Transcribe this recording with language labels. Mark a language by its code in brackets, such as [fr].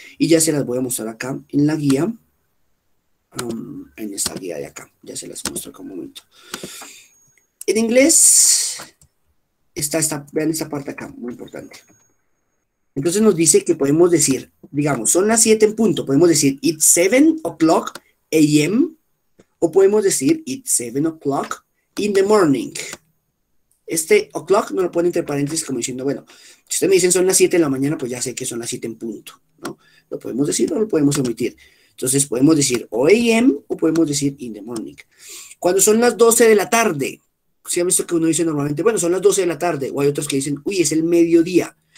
[es] Y ya se las voy a mostrar acá en la guía. En esta guía de acá. Ya se las muestro acá un momento. En inglés está esta, vean esta parte acá, muy importante. Entonces nos dice que podemos decir, digamos, son las 7 en punto. Podemos decir [en] it's 7 o'clock a.m. [es] O podemos decir [en] it's 7 o'clock in the morning. [es] Este o'clock no lo pone entre paréntesis como diciendo, bueno, si ustedes me dicen son las 7 de la mañana, pues ya sé que son las 7 en punto, ¿no? Lo podemos decir o lo podemos omitir. Entonces podemos decir o a.m. o podemos decir [en] in the morning. [es] Cuando son las 12 de la tarde, si han visto que uno dice normalmente, bueno, son las 12 de la tarde, o hay otros que dicen, uy, es el mediodía.